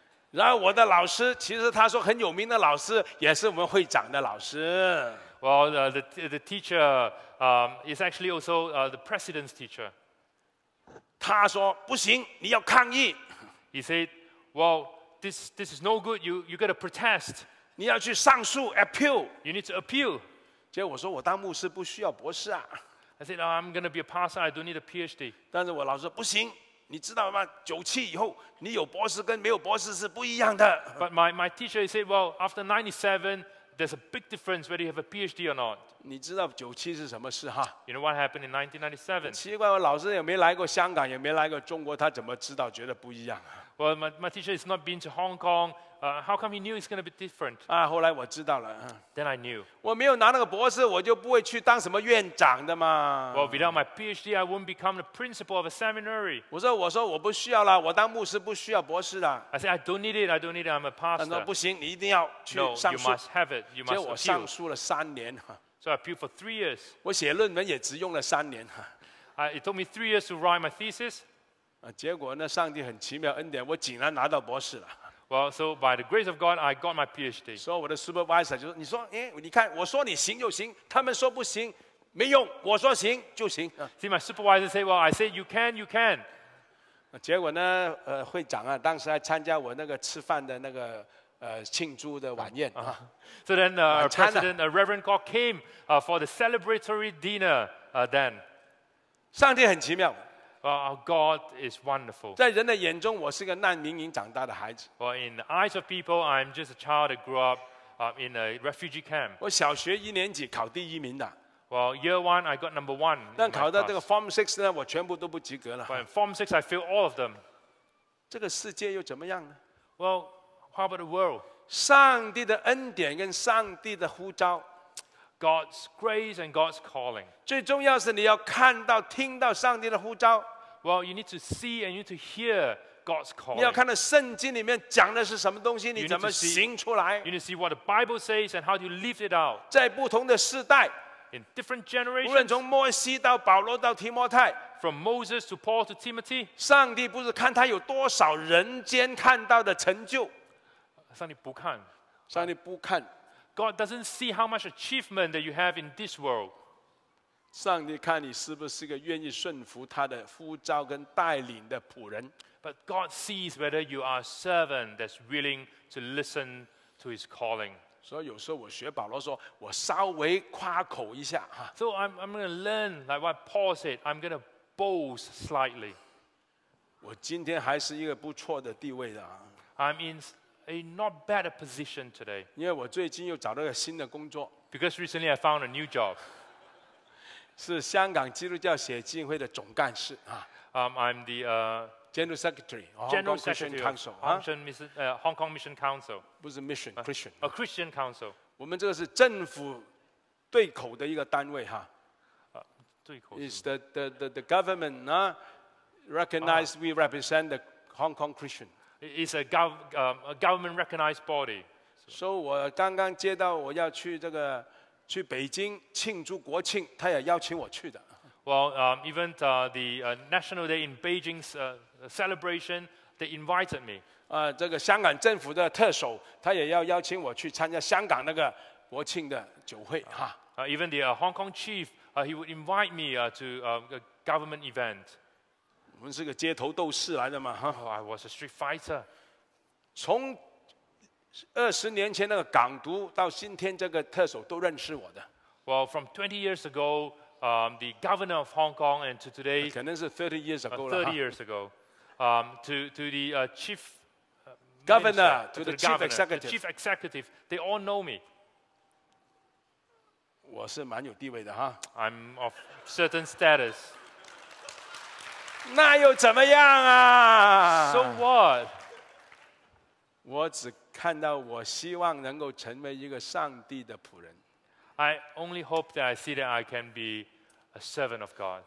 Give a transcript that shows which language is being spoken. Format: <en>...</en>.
<zh>然后我的老师，其实他说很有名的老师，也是我们会长的老师。</zh> <en>Well, the teacher is actually also the president's teacher.</en> <zh>他说不行，你要抗议。</zh> <en>He said, "Well, this is no good. You got to protest.</en> <zh>你要去上诉 appeal.</zh> <en>You need to appeal."</en> <zh>结果我说我当牧师不需要博士啊。</zh> <en>I said,、oh, "I'm going to be a pastor. I don't need a PhD."</en> <zh>但是我老师说不行，你知道吗？九七以后，你有博士跟没有博士是不一样的。</zh> <en>But my teacher said, "Well, after 97, there's a big difference whether you have a PhD or not."</en> <zh>你知道九七是什么事哈</zh> <en>？You know what happened in 1997?</en> <zh>奇怪，我老师也没来过香港，也没来过中国，他怎么知道觉得不一样</zh> <en>？Well, my teacher has not been to Hong Kong. How come he knew it's going to be different?</en> <zh>啊，后来我知道了。</zh> <en>Then I knew.</en> <zh>我没有拿那个博士，我就不会去当什么院长的嘛。</zh> <en>Well, without my PhD, I wouldn't become the principal of a seminary.</en> <zh>我说我不需要了，我当牧师不需要博士的。</zh> <en>I said, I don't need it. I'm a pastor.</en> <zh>他说不行，你一定要去上诉。</zh> <en>No, you must have it. You must appeal.</en> <zh>结果我上诉了三年。</zh> <en>So I appealed for 3 years.</en> <zh>我写论文也只用了三年。</zh> <en>It took me 3 years to write my thesis.</en> <zh>结果呢，上帝很奇妙恩典，我竟然拿到博士了。</zh> <en>Well, so by the grace of God, I got my PhD.</en> <zh>所以我的 supervisor 就说，你说，哎，你看，我说你行就行，他们说不行，没用，我说行就行。</zh> <en>See, my supervisor said, well, I said, you can.</en> <zh>结果呢，会长啊，当时还参加我那个吃饭的那个。庆祝的晚宴、</zh> <en>So then President Reverend God came for the celebratory dinner then.</en> <zh>上帝很奇妙。</zh> <en>God is wonderful.</en> <zh>在人的眼中我是个难民营长大的孩子。</zh> <en>Well, in the eyes of people, I'm just a child that grew up in a refugee camp.</en> <zh>我小学一年级考第一名的。</zh> <en>Well, year one, I got number one.</en> <zh>但考到这个 Form 6呢我全部都不及格了。</zh> <en>Well, in Form 6, I failed all of them.</en> <zh>这个世界又怎么样呢</zh> <en>Well,How about the world?</en> <zh>上帝的恩典跟上帝的呼召</zh> <en>God's grace and God's calling.</en> <zh>最重要是你要看到听到上帝的呼召</zh> <en>Well, you need to see and you need to hear God's calling.</en> <zh>你要看到圣经里面讲的是什么东西你怎么行出来</zh> <en>You need to see what the Bible says and how do you live it out.</en> <zh>在不同的世代</zh> <en>In different generations,</en> <zh>无论从摩西到保罗到提摩太</zh> <en>From Moses to Paul to Timothy,</en> <zh>上帝不是看他有多少人间看到的成就上帝不看</zh> <en>God doesn't see how much achievement that you have in this world.</en> <zh>上帝看你是不是一个愿意顺服他的呼召跟带领的仆人</zh> <en>But God sees whether you are a servant that's willing to listen to his calling.</en> <zh>所以有时候我学保罗说，我稍微夸口一下</zh> <en>So I'm going to learn like what Paul said. I'm going to boast slightly.</en> <zh>我今天还是一个不错的地位的</zh> <en>I'm in. A not bad position today.</en> <zh>因为我最近又找到了新的工作。</zh> <en>Because recently I found a new job.</en> <zh>是香港基督教协进会的总干事啊。</zh> <en>I'm the General Secretary, General Christian Council. Hong Kong Mission Council.</en> <zh>不是 Mission, Christian.</zh> <en>A Christian Council.</en> <zh>我们这个是政府对口的一个单位哈。对口。</zh> <en>Is the government recognized we represent the Hong Kong Christian? It's a government recognized body.</en> <zh>So, 我刚刚接到我要去这个去北京庆祝国庆，他也邀请我去的。</zh> <en>Well, even the National Day in Beijing's celebration, they invited me.</en> <zh>这个香港政府的特首，他也要邀请我去参加香港那个国庆的酒会哈。</zh> <en>Even the Hong Kong chief, he would invite me to a government event.</en> <zh>我们是个街头斗士来的嘛哈。</zh> <en>Oh, I was a street fighter.</en> <zh>从二十年前那个港独到今天这个特首都认识我的。</zh> <en>Well, from 20 years ago, the governor of Hong Kong, and to today,</en> <zh>可能是</zh> <en>30 years ago 了。30 years ago, to the chief governor, minister, to the chief governor, executive, the chief executive, they all know me.</en> <zh>我是蛮有地位的哈。</zh> <en>I'm of certain status.</en> <zh>那又怎么样啊</zh> <en>？So what?</en> <zh>我只看到我希望能够成为一个上帝的仆人。</zh> <en>I only hope that I see that I can be a servant of God.</en>